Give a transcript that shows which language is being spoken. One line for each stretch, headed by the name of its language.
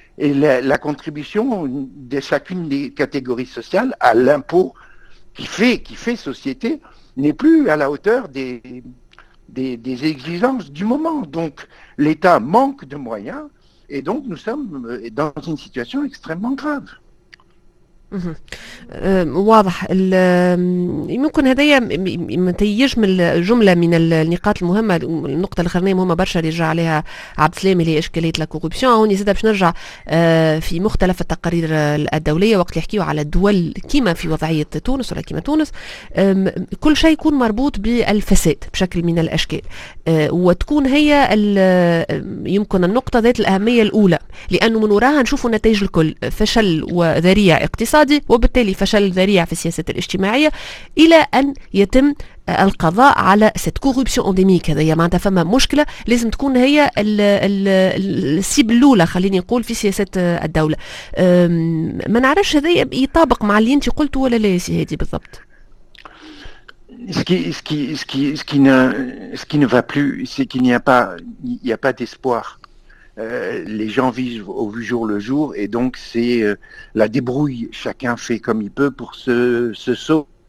French: Et la contribution de chacune des catégories sociales à l'impôt qui fait société n'est plus à la hauteur des exigences du moment. Donc, l'État manque de moyens et donc nous sommes dans une situation extrêmement grave.
Arabic: واضح يمكن هذا متيج من الجملة من النقاط المهمة النقطة الأخرانية مهمة برشا رجع عليها عبد السلام اللي هي إشكالية الكوربسيون هوني زادة باش نرجع في مختلف التقارير الدولية وقت اللي يحكيوا على الدول كيما في وضعية تونس ولا كيما تونس كل شيء يكون مربوط بالفساد بشكل من الأشكال وتكون هي يمكن النقطة ذات الأهمية الأولى لأنه من وراها نشوفوا نتائج الكل فشل وذريع اقتصادي وبالتالي فشل ذريع في السياسة الاجتماعية إلى أن يتم القضاء على
French: cette corruption endémique
Arabic: هذا معناتها فما مشكلة لازم تكون هي السيب الأولى خليني نقول في سياسة الدولة ما نعرفش هذا يطابق مع اللي أنت قلته ولا لا يا سي هادي بالضبط
French: Ce qui ne va plus, c'est qu'il n'y a pas, il n'y a pas d'espoir. Les gens vivent au jour le jour et donc c'est la débrouille. Chacun fait comme il peut pour se sauver.